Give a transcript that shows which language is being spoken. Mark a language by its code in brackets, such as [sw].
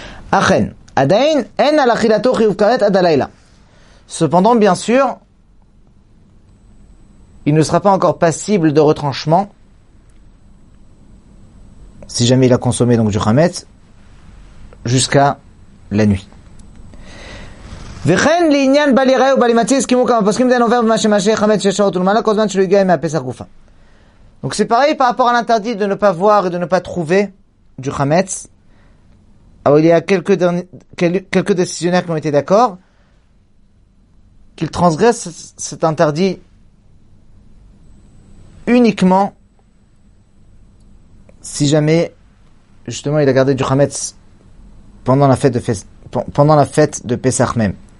[fr] Cependant, bien sûr, il ne sera pas encore passible de retranchement si jamais il a consommé donc du Chametz jusqu'à la nuit. [he] וכן לעניין בל יראה ובל ימצא הסכימו כמה פוסקים דיין עובר במה שמשה חמץ שש שעות ולמעלה כל זמן שלא הגיע מהפסח גופה. [fr] Donc c'est pareil par rapport à l'interdit de ne pas voir et de ne pas trouver du chametz. Alors il y a quelques décisionnaires qui ont été d'accord qu'ils transgressent cet interdit uniquement si jamais justement il a gardé du chametz pendant la fête de Pessah même.